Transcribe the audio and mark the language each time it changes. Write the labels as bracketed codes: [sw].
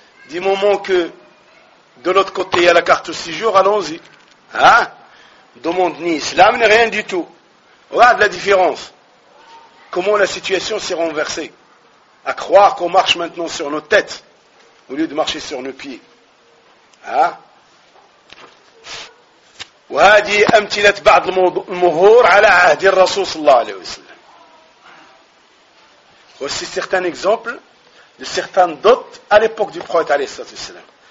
[fr] Du moment que de l'autre côté, il y a la carte au séjour, allons-y. Hein? Demande ni islam, ni rien du tout. Regarde la différence. Comment la situation s'est renversée. À croire qu'on marche maintenant sur nos têtes, au lieu de marcher sur nos pieds. Hein? [ar] وهذه أمثلة بعض المهور على عهد الرسول صلى الله عليه وسلم. [fr] Voici certains exemples de certaines dots à l'époque du prophète [ar] عليه الصلاة والسلام.